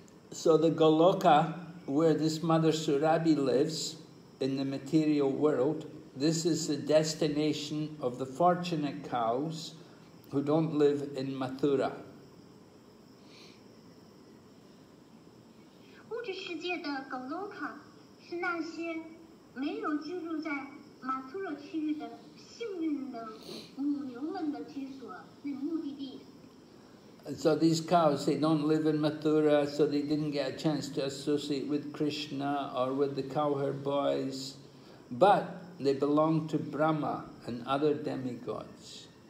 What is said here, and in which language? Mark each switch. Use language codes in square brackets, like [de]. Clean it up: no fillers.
[en] So the Goloka, where this Mother Surabhi lives, in the material world, this is the destination of the fortunate cows who don't live in Mathura. [zh] 界的 Goloka 是那些没有居住在马图罗区域的幸运的母牛们的居所，那目的地。 [en] So these cows, they don't live in Mathura, so they didn't get a chance to associate with Krishna or with the cowherd boys, but they belong to Brahma and other demigods.